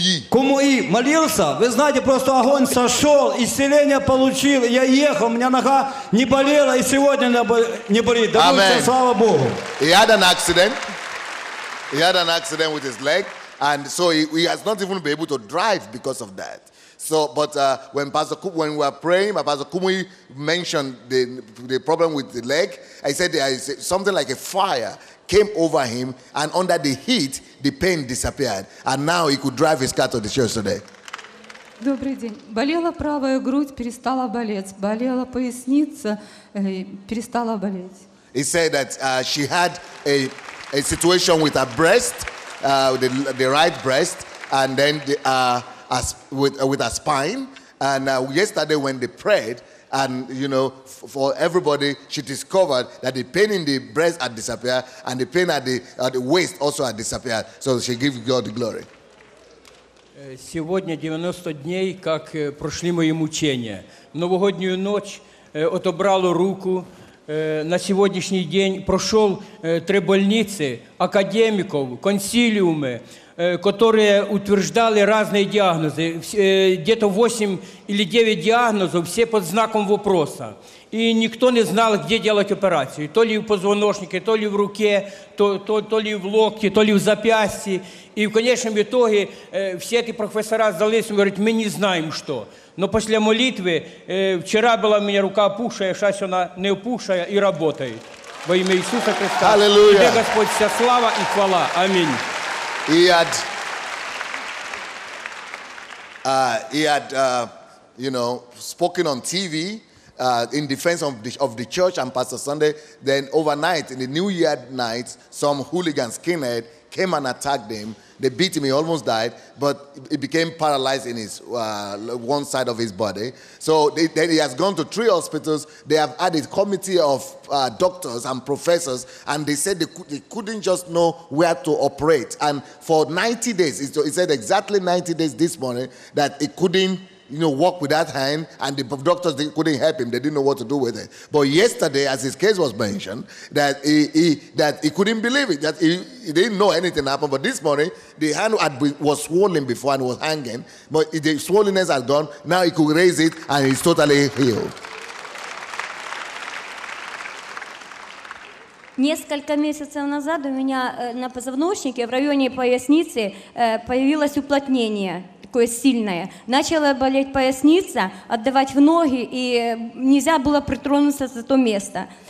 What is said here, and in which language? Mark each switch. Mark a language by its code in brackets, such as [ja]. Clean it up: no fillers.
[ru] Кумуи молился. Вы знаете, просто огонь сошел, исцеление получил. Я ехал, у меня нога не болела, и сегодня не болит. Аминь. Слава Богу. [en] He had an accident. He had an accident with his leg, and so he has not even been able to drive because of that. So, but when we were praying, Pastor Kumuyi mentioned the problem with the leg. I said there is something like a fire came over him, and under the heat, the pain disappeared, and now he could drive his car to the church today. [ru] Добрый день. Болела правая грудь, перестала болеть. Болела поясница, перестала болеть. He said that she had a situation with her breast, the right breast, and then with her spine. And yesterday, when they prayed, and you know, for everybody, she discovered that the pain in the breast had disappeared, and the pain at the waist also had disappeared. So she gave God the glory. Сегодня 90 дней, как прошли мои мучения. Новогоднюю ночь отобрало руку. На сегодняшний день прошел 3 больницы, академиков, консилиумы, которые утверждали разные диагнозы, где-то 8 или 9 диагнозов, все под знаком вопроса. И никто не знал, где делать операцию, то ли в позвоночнике, то ли в руке, то ли в локте, то ли в запястье. И в конечном итоге все эти профессора сдались и говорят, мы не знаем что. Но после молитвы, вчера была у меня рука опухшая, сейчас она не опухшая и работает. Во имя Иисуса Христа. Аллилуйя. Тебе, Господь, вся слава и хвала. Аминь. [en] He had spoken on TV in defense of the church and Pastor Sunday. Then overnight, in the New Year night, some hooligan skinhead came and attacked him. They beat him, he almost died, but he became paralyzed in his one side of his body. So then he has gone to three hospitals. They have had a committee of doctors and professors, and they said they couldn't just know where to operate. And for 90 days, he said exactly 90 days this morning that he couldn't, you know, walk with that hand, and the doctors couldn't help him. They didn't know what to do with it. But yesterday, as his case was mentioned, that he couldn't believe it, that he didn't know anything happened. But this morning, the hand was swollen before and was hanging, but the swollenness had gone. Now he could raise it, and he's totally healed. [ru] Несколько месяцев назад у меня на позвоночнике в районе поясницы появилось уплотнение. Такое сильное. Начала болеть поясница, отдавать в ноги, и нельзя было притронуться за то место.